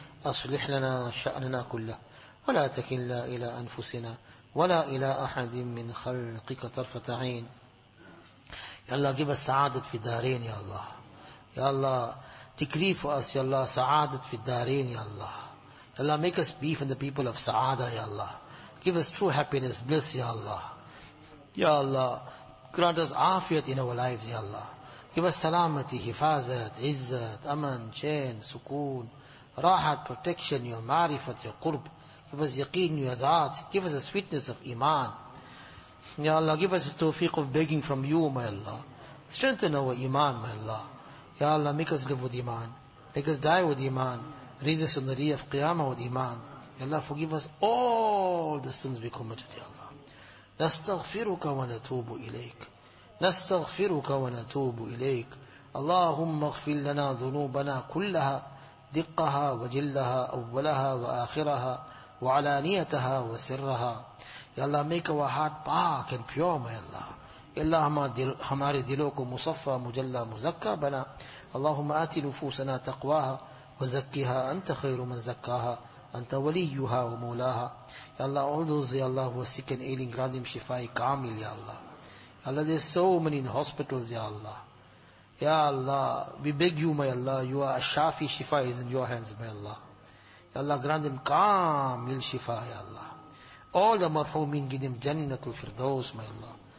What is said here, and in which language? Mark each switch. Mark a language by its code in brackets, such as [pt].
[ar] أصلح لنا شأننا كله ولا تكلنا إلى أنفسنا ولا إلى أحد من خلقك طرفة عين. يا الله [en] give us [ar] سعادة في الدارين يا الله. يا الله [en] decree for us [ar] يا الله سعادة في الدارين يا الله. [en] يا الله make us be from the people of سعادة يا الله. Give us true happiness, bliss يا الله. يا الله grant us عافية in our lives يا الله. Give us [ur] سلامتي, حفاظة, عزة, أمن, چين, سكون, راحة, [en] protection, your معرفة, your قرب. Give us yaqeen, your ذات. Give us the sweetness of iman. Ya Allah, give us the tawfiq of begging from you, my Allah. Strengthen our iman, my Allah. Ya Allah, make us live with iman. Make us die with iman. Raise us on the day of qiyamah with iman. Ya Allah, forgive us all the sins we committed, ya Allah. [ar] Nastaghfiruka wa natubu ilayk. نستغفرك ونتوب إليك اللهم اغفر لنا ذنوبنا كلها دقها وجلها أولها وآخرها وعلانيتها وسرها. [en] يا الله make our heart pure and pure my Allah. [ur] اللهم ہمارے دلوں کو مصفى مجلى مزكى بنا. [ar] اللهم آت نفوسنا تقواها وزكها أنت خير من زكاها أنت وليها ومولاها. [en] يا الله all those يا الله who are sick and ailing grant them [ar] شفاء كامل [en] يا الله. Allah, there's so many in hospitals, Ya Allah. Ya Allah, we beg you, my Allah, you are a Shafi, Shifa is in your hands, my Allah. Ya Allah, grant them Kamil Shifa, Ya Allah. All the marhumin, give them Jannatul Firdaus, my Allah.